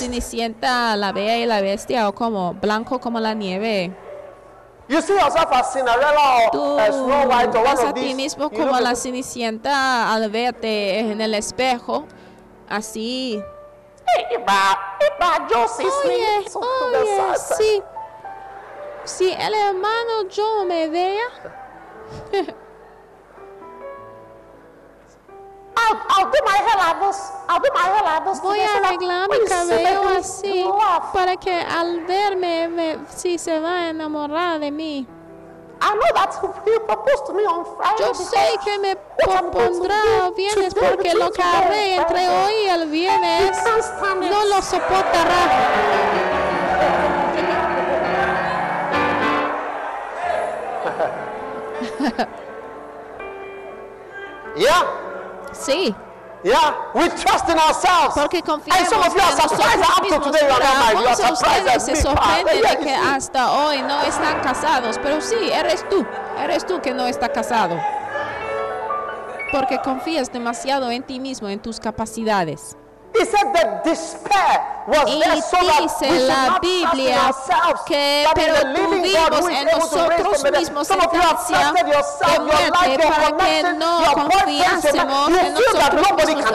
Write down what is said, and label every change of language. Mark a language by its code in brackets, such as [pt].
[es] Cenicienta, la Bella y la Bestia, o como blanco como la nieve. [en] You see yourself as Cinderella or Snow White or one of these. [es] Tú ves a ti mismo como la Cenicienta al verte en el espejo, así. Oye, sí. Si el hermano Joe me vea. [en] I'll do my hair like this. [es] Voy a arreglar mi cabello así para que al verme si se va a enamorar de mí. [en] I know that he proposed to me on Friday. [es] Yo sé que me propondrá el viernes porque lo que haré entre hoy y el viernes no lo soportará. [en] Yeah. [es] Sí. [en] Yeah, we trust in ourselves. [es] Porque confiamos. [en] And some of you are surprised up to today you are not married. You are surprised at me. [es] Que hasta hoy no están casados, pero sí, eres tú que no está casado. Porque confías demasiado en ti mismo, en tus capacidades. [en] He said that despair [es] y dice la Biblia que pero vivimos en nosotros mismos sentencia de muerte para que no confiásemos en nosotros mismos.